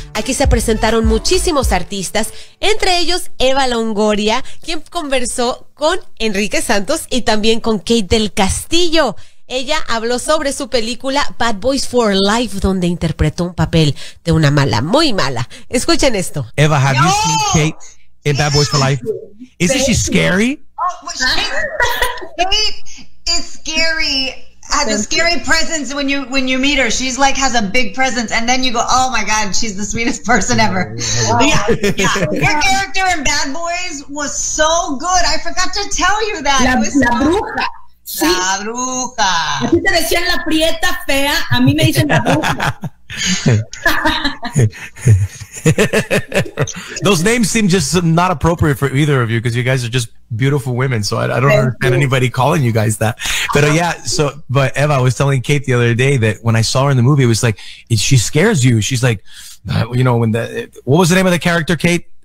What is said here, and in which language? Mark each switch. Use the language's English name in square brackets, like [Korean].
[Spanish] Aquí se presentaron muchísimos artistas, entre ellos Eva Longoria, quien conversó con Enrique Santos y también con Kate del Castillo. Ella habló sobre su película Bad Boys for Life, donde interpretó un papel de una mala, muy mala. Escuchen esto. [English] Eva, have you seen Kate in Bad Boys for Life? Isn't she scary? Oh, Kate is scary. Has a scary presence when you meet her. She's like has a big presence, and then you go, oh my god, she's the sweetest person ever. Yeah. Her character in Bad Boys was so good. I forgot to tell you that. [Spanish] La bruja. Sí. La bruja. A ti te decían la prieta fea, a mí me dicen la bruja. [English] Those names seem just not appropriate for either of you, because you guys are just beautiful women, so I don't understand anybody calling you guys that. But but Eva, I was telling Kate the other day that when I saw her in the movie, it was like, she scares you. She's like, you know, what was the name of the character, Kate?